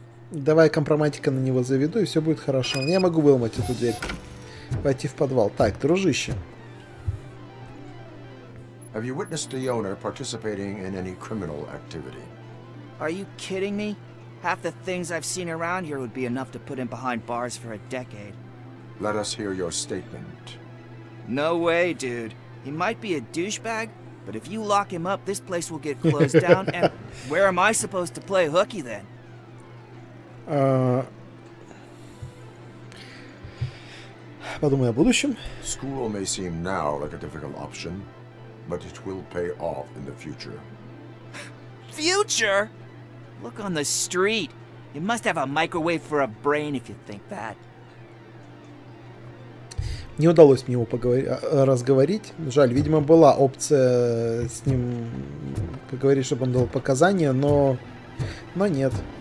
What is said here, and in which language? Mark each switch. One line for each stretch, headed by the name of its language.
Russian: Давай компроматика на него заведу, и все будет хорошо. Я могу выломать эту дверь. Пойти в подвал. Так, дружище.
English: Have you witnessed the owner participating in any criminal activity? Are you kidding me? Half the things I've seen around here would be enough to put him behind bars for a decade. Let us hear your statement. No way, dude. He might be a douchebag. But if you lock him up, this place will get closed down, and where am I supposed to play hooky then?
Russian: Подумай о будущем.
English: School may seem now like a difficult option, but it will pay off in the future. Future? Look on the street. You must have a microwave for a brain if you think that.
Russian: Не удалось мне его разговорить. Жаль, видимо, была опция с ним поговорить, чтобы он дал показания, но нет.